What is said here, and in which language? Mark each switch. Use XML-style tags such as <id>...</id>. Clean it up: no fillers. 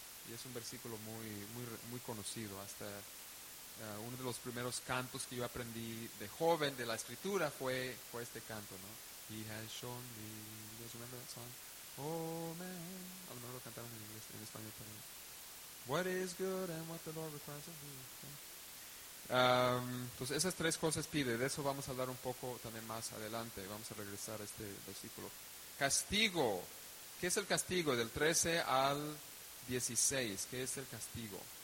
<es>Y es un versículo muy, muy, muy conocido. Hasta uno de los primeros cantos que yo aprendí de joven de la escritura fue este canto, ¿no?</es> <en>He has shown me. You guys remember that song? Oh man.</en> <es>A lo mejor lo cantaron en inglés, en español también.</es> <en>What is good and what the Lord requires of you.</en> <es>Entonces esas tres cosas pide. De eso vamos a hablar un poco también más adelante. Vamos a regresar a este versículo. Castigo. ¿Qué es el castigo? Del 13 al 16. ¿Qué es el castigo?</es>